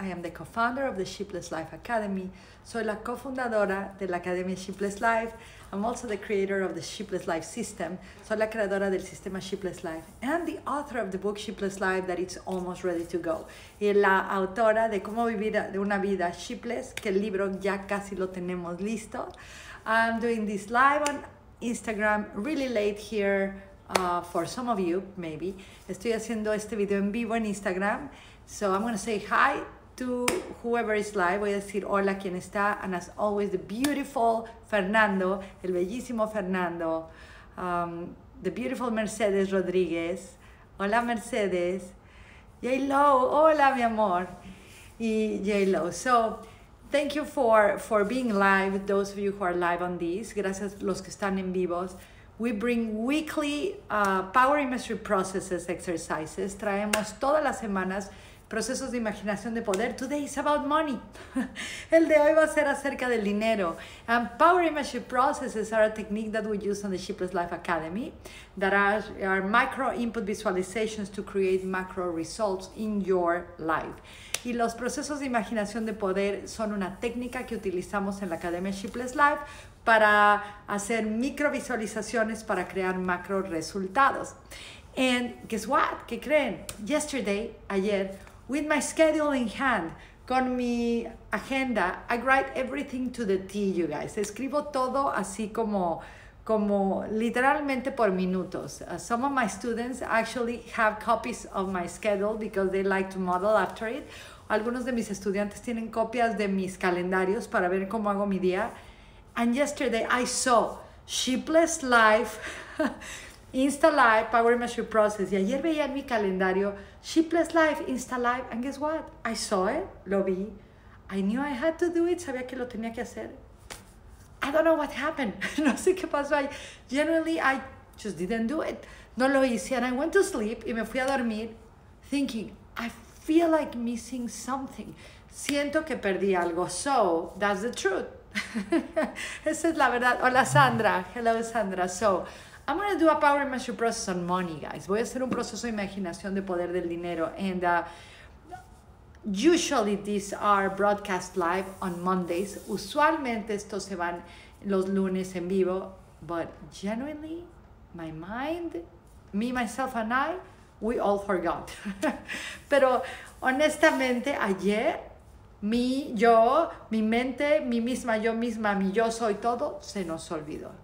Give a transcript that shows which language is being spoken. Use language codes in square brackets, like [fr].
[en] I am the co-founder of the Sheepless Life Academy. [es] Soy la cofundadora de la Academia Sheepless Life. [en] I'm also the creator of the Sheepless Life System. [es] Soy la creadora del sistema Sheepless Life. [en] And the author of the book Sheepless Life that it's almost ready to go. [es] Y la autora de Cómo Vivir una Vida Sheepless, que el libro ya casi lo tenemos listo. [en] I'm doing this live on Instagram, really late here. For some of you, maybe. [es] Estoy haciendo este video en vivo en Instagram. [en] So I'm going to say hi to whoever is live. [es] Voy a decir hola quien está. [en] And as always, the beautiful Fernando, [es] el bellísimo Fernando. [en] The beautiful Mercedes Rodríguez. Hola, Mercedes. [es] J-Lo, hola, mi amor. Y J-Lo. [en] So thank you for being live, those of you who are live on this. [es] Gracias los que están en vivos. [en] We bring weekly power imagery processes, exercises. [es] Traemos todas las semanas procesos de imaginación de poder. [en] Today is about money. [es] El de hoy va a ser acerca del dinero. [en] And power imagery processes are a technique that we use on the Sheepless Life Academy that are micro input visualizations to create macro results in your life. [es] Y los procesos de imaginación de poder son una técnica que utilizamos en la Academia Sheepless Life para hacer microvisualizaciones para crear macro resultados. [en] And guess what? [es] ¿Qué creen? [en] Yesterday, [es] ayer, [en] with my schedule in hand, [es] con mi agenda, [en] I write everything to the T, you guys. [es] Escribo todo así como literalmente por minutos. [en] Some of my students actually have copies of my schedule because they like to model after it. [es] Algunos de mis estudiantes tienen copias de mis calendarios para ver cómo hago mi día. [en] And yesterday I saw Sheepless Life, Insta Live, Power Imagery Process. [es] Y ayer veía en mi calendario Sheepless Life, Insta Live. [en] And guess what? I saw it, [es] lo vi. [en] I knew I had to do it, [es] sabía que lo tenía que hacer. [en] I don't know what happened. [es] No sé qué pasó ahí. [en] Generally, I just didn't do it. [es] No lo hice. [en] And I went to sleep [es] y me fui a dormir [en] thinking, I feel like missing something. [es] Siento que perdí algo. [en] So, that's the truth. [es] Esa es la verdad. Hola, Sandra. [en] Hello, Sandra. So, I'm going to do a power imagery process on money, guys. [es] Voy a hacer un proceso de imaginación de poder del dinero. [en] And usually these are broadcast live on Mondays. [es] Usualmente estos se van los lunes en vivo. [en] But genuinely, my mind, me, myself, and I, we all forgot. [es] Pero honestamente, ayer, mi mente, yo misma, mi yo soy todo, se nos olvidó.